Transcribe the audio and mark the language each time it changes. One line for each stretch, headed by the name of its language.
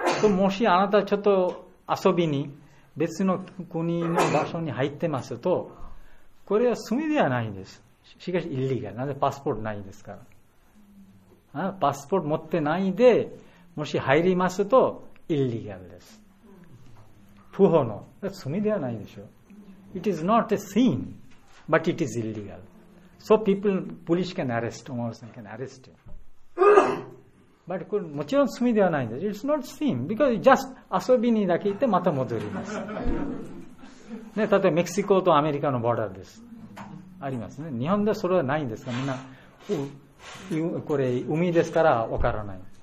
Japanese: もしあなたちょっと遊びに別の国の場所に入ってますと、これは罪ではないんです。しかし、イリガル。なぜパスポートないんですから。パスポート持ってないでもし入りますとイリガルです、不法の、罪ではないでしょ。
English: It is not a sin but it is illegal, so people, police can arrest, almost can arrest you. But
Japanese: これもちろん罪ではないです。
English: It's not sin because just
Japanese: 遊びにだけ行ってまた戻ります、ね、例えばメキシコとアメリカのボーダーです、ありますね。日本ではそれはないんですが、みんなこれ海ですから分からない。